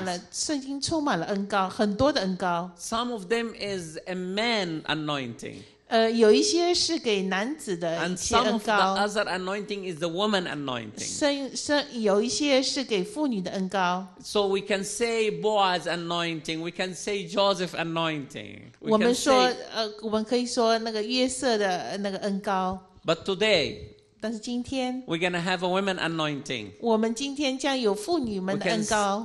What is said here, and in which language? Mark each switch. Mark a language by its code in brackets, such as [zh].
[zh] 圣经充满了恩膏，很多的恩膏。 [en] Some of them is a man anointing. [zh] 有一些是给男子的一些恩膏。 [en] And some of the other anointing is the woman anointing. [zh] 有一些是给妇女的恩膏。 [en] So we can say Boaz anointing, we can say Joseph anointing. [zh] 我们可以说那个约瑟的那个恩膏。 [en] But today, [zh] 但是今天, [en] we're going to have a women anointing. [zh] 我们今天将有妇女们的恩膏。